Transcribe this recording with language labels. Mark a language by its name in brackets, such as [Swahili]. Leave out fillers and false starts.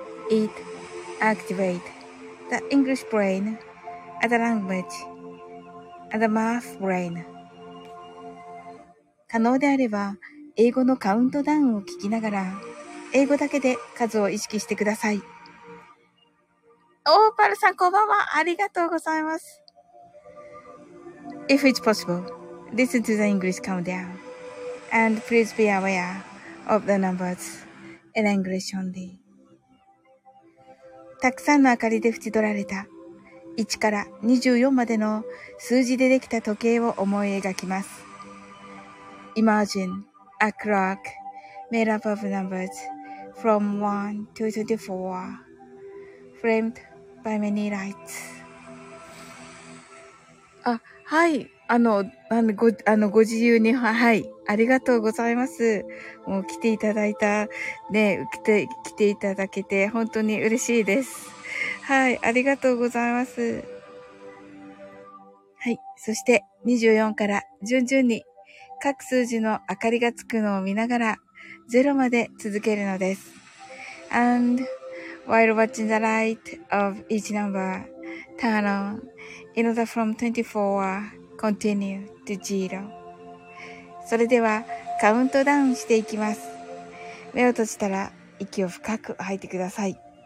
[English] It activates the English brain and the language and the math brain。 [Japanese] 可能であれば、英語のカウントダウンを聞きながら、英語だけで数を意識してください。オーパルさん、こんばんは。ありがとうございます。 [English] If it's possible, listen to the English countdown. And please be aware of the numbers in English only. [Japanese] たくさんの明かりで縁取られた1から24までの数字でできた時計を思い描きます。 [English] Imagine a clock made up of numbers from 1 to 24 framed by many lights. [Japanese] あ、はい。ご自由に、はい、ありがとうございます。もう来ていただいた、ね、来ていただけて本当に嬉しいです。はい、ありがとうございます。はい、そして24から順々に各数字の明かりがつくのを見ながら0まで続けるのです。 [English] And while watching the light of each number, turn on in order from 24 continue to zero. [Japanese] それではカウントダウンしていきます。目を閉じたら息を深く吐いてください。